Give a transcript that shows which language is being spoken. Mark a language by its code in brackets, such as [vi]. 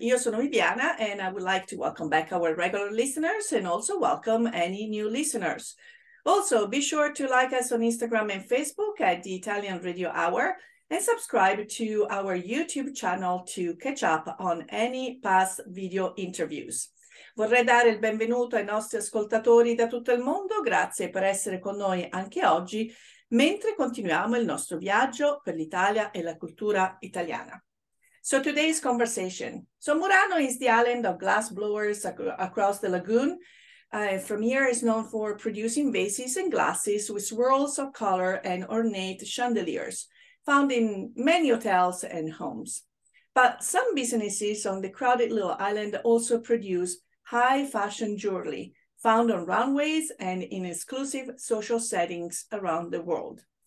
[it] Io sono [en] Viviana and I would like to welcome back our regular listeners and also welcome any new listeners. Also, be sure to like us on Instagram and Facebook at the Italian Radio Hour and subscribe to our YouTube channel to catch up on any past video interviews. [it] Vorrei dare il benvenuto ai nostri ascoltatori da tutto il mondo. Grazie per essere con noi anche oggi. Mentre continuiamo il nostro viaggio per l'Italia e la cultura italiana. [en] So today's conversation. So Murano is the island of glassblowers across the lagoon. From here is known for producing vases and glasses with swirls of color and ornate chandeliers, found in many hotels and homes. But some businesses on the crowded little island also produce high fashion jewelry, found on runways and in exclusive social settings around the world.